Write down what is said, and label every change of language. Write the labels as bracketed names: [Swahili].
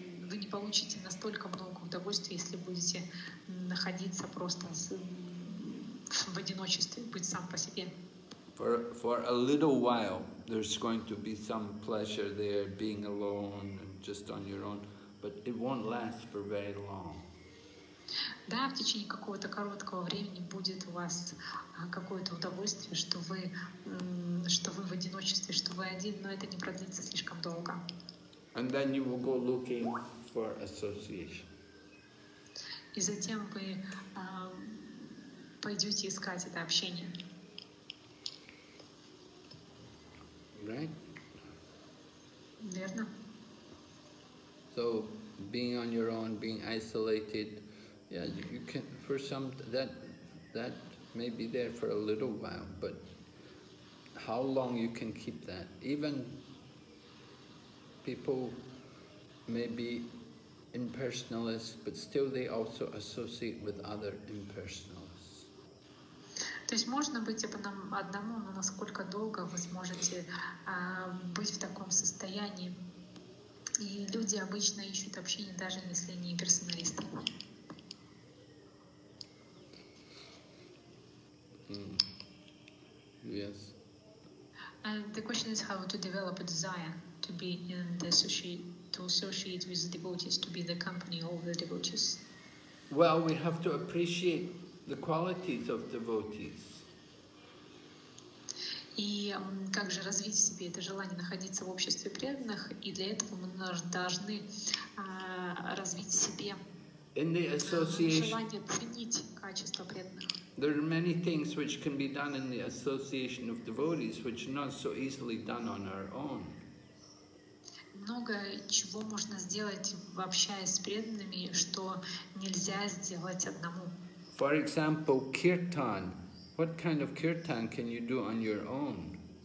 [Russian] Вы не получите настолько много удовольствия, если будете находиться просто в одиночестве, быть сам по себе. [English] For a little while, there's going to be some pleasure there, being alone and just on your own, but it won't last for very long. [Russian] Да, в течение какого-то короткого времени будет у вас какое-то удовольствие, что вы в одиночестве, что вы один, но это не продлится слишком долго. [English] And then you will go looking for association. [Russian] И затем вы пойдете искать это общение. [English] Right? [Russian] Верно. [English] So, being on your own, being isolated, yeah, you can for some that may be there for a little while, but how long you can keep that? Even people may be impersonalists, but still they also associate with other impersonalists. [Russian] То есть можно быть одному, но насколько долго вы сможете быть в таком состоянии? И люди обычно ищут общение, даже если они имперсоналисты. [English] Yes. And the question is how to develop a desire to be in the associate with the devotees, to be the company of the devotees. Well, we have to appreciate the qualities of devotees. [Russian] И как же развить в себе это желание находиться в обществе преданных? И для этого мы должны развить в себе желание ценить качество преданных. [English] There are many things which can be done in the association of devotees, which are not so easily done on our own. [Russian] много чего можно сделать, общаясь с преданными, что нельзя сделать одному. [English] For example, kirtan. What kind of kirtan can you do on your own?